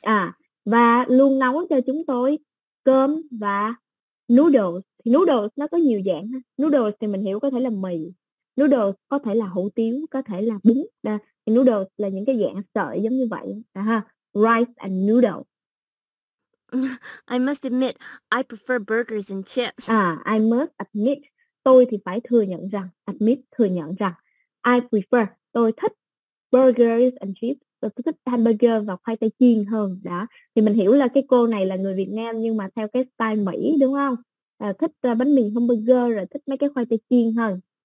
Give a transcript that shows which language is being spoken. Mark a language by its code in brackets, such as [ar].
[vi] À, và luôn nấu cho chúng tôi cơm và noodles. Thì noodles nó có nhiều dạng ha. Noodles thì mình hiểu có thể là mì. Noodles có thể là hủ tiếu, có thể là bún. Đó. Thì noodles là những cái dạng sợi giống như vậy, đó ha. [en] Rice and noodles. I must admit, I prefer burgers and chips. I must admit, [vi] tôi thì phải thừa nhận rằng, admit, thừa nhận rằng, [en] I prefer, [vi] tôi thích [en] burgers and chips, [vi] tôi thích hamburger và khoai tây chiên hơn, đó. Thì mình hiểu là cái cô này là người Việt Nam nhưng mà theo cái style Mỹ, đúng không? Thích bánh mì hamburger rồi thích mấy cái khoai tây chiên hơn.